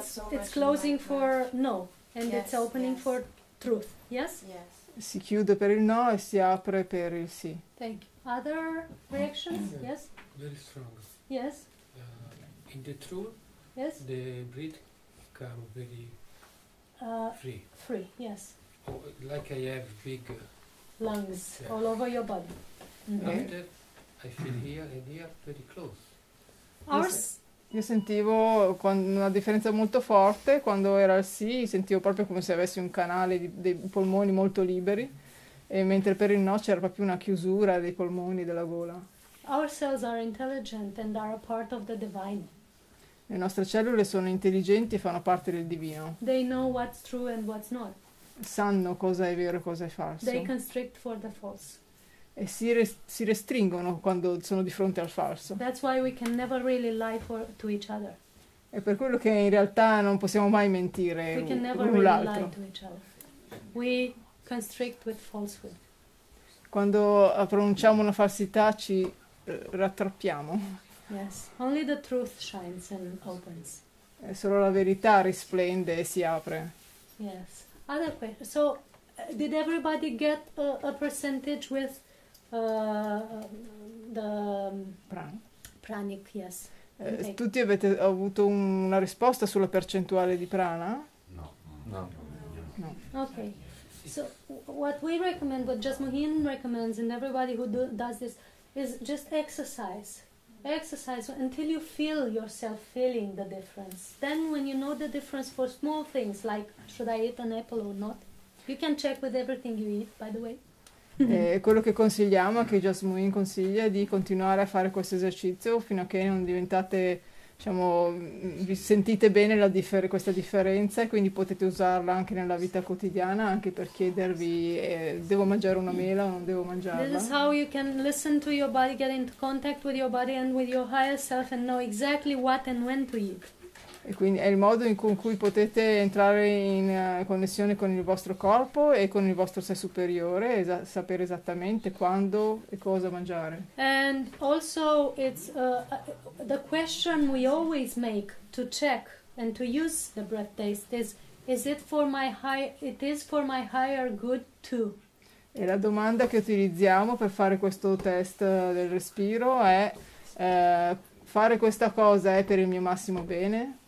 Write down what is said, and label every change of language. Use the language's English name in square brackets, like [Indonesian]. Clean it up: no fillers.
[English] It's closing for no and yes, it's opening yes. For truth. Yes? Yes. [Italian] Si chiude per il no e si apre per il sì. [English] Thank you. Other reactions? Yes. Very strong. Yes. In the truth. Yes. The breath come very free. Free, yes. Oh, like I have big lungs all over your body. Mm-hmm. After I feel here and here very close. Ours? [Italian] Io sentivo una differenza molto forte quando era il sì, sentivo proprio come se avessi un canale dei polmoni molto liberi, e mentre per il no c'era proprio una chiusura dei polmoni della gola. [English] Our cells are intelligent and are a part of the divine. [Italian] Le nostre cellule sono intelligenti e fanno parte del divino. [English] They know what's true and what's not. [Italian] Sanno cosa è vero e cosa è falso. [English] They constrict for the false. [Italian] E si restringono quando sono di fronte al falso. [English] That's why we can never really lie to each other. [Italian] È per quello che in realtà non possiamo mai mentire l'un l'altro. [English] We can never really lie to each other. We constrict with falsehood. [Italian] Quando pronunciamo una falsità ci rattrappiamo. [English] Yes, only the truth shines and opens. [Italian] È solo la verità risplende e si apre. [English] Yes. Other question. So, did everybody get a percentage with the pranic? Yes. Okay. [Italian] Tutti avete avuto una risposta sulla percentuale di prana? [English] No. Okay. So, what we recommend, what Jasmuheen recommends, and everybody who does this, is just exercise. Exercise until you feel yourself feeling the difference. Then when you know the difference for small things like should I eat an apple or not, you can check with everything you eat, by the way. [Italian] Quello che consigliamo, che Jasmine consiglia, è di continuare a fare questo esercizio fino a che non diventate, diciamo, vi sentite bene questa differenza, e quindi potete usarla anche nella vita quotidiana, anche per chiedervi devo mangiare una mela o non devo mangiarla. [English] This is how you can listen to your body, get into contact with your body and with your higher self and know exactly what and when to eat. [Italian] E quindi è il modo in cui potete entrare in connessione con il vostro corpo e con il vostro sé superiore e sapere esattamente quando e cosa mangiare. [English] And also it's the question we always make to check and to use the breath test is it for my higher good too. [Italian] E la domanda che utilizziamo per fare questo test del respiro è fare questa cosa è per il mio massimo bene?